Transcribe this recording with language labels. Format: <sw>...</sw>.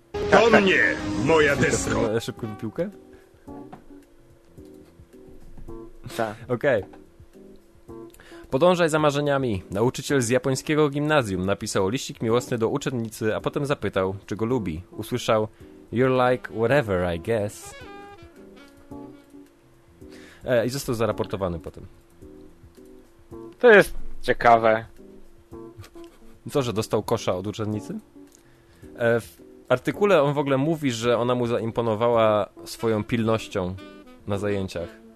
<pl>To mnie, moja dysko. Szybką piłkę? Tak. Okej. Okay. Podążaj za marzeniami. Nauczyciel z japońskiego gimnazjum napisał liścik miłosny do uczennicy, a potem zapytał, czy go lubi. Usłyszał,</pl> <en>you're like whatever, I guess.</en> <pl>I został zaraportowany potem. To jest ciekawe. Co, że dostał kosza od uczennicy? W artykule on w ogóle mówi, że ona mu zaimponowała swoją pilnością na zajęciach.</pl>